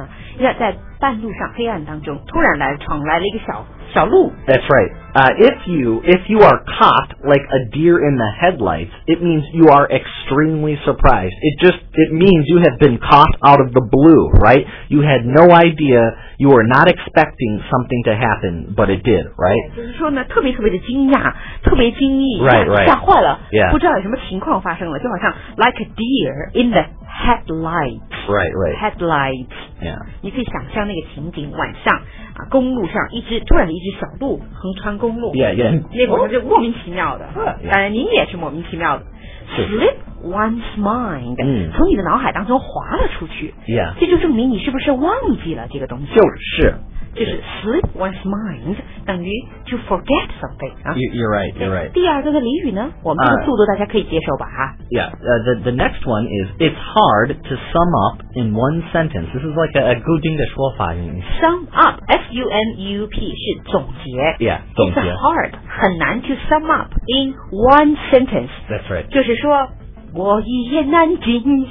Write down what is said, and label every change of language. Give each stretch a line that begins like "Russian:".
Chinese: 啊，要在半路上黑暗当中，突然来闯来了一个小鹿。
English: That's right。 If you are caught like a deer in the headlights, it means you are extremely surprised. It means you have been caught out of the blue, right? You had no idea. You were not expecting something to happen, but it did, right?
Chinese: 就是说呢，特别特别的惊讶，特别惊异，
English: right.
Chinese: 吓坏了，
English: yeah.
Chinese: 不知道有什么情况发生了，就好像
English: like a deer in the headlights, right. Headlights, yeah.
Chinese: 你可以想象那个情景，晚上啊，公路上突然一只小鹿横穿公路，
English: yeah.
Chinese: 那会儿就莫名其妙的，当然您也是莫名其妙的。
English: Slip one's mind、
Chinese: 从你的脑海当中滑了出去、
English: yeah.
Chinese: 这就证明你是不是忘记了这个东西，就是
English: slip one's mind
Chinese: 等于
English: to forget something、 You're right.
Chinese: 第二个的俚语呢，我们这个速度大家可以接受吧、
English: the next one is it's hard to sum up in one sentence. This is like a good English
Chinese: 说法。 Sum up, S-U-M-U-P 是总结。总结
English: It's hard,
Chinese: 很难
English: to sum up in one sentence. That's right.
Chinese: 就是说我一言难尽，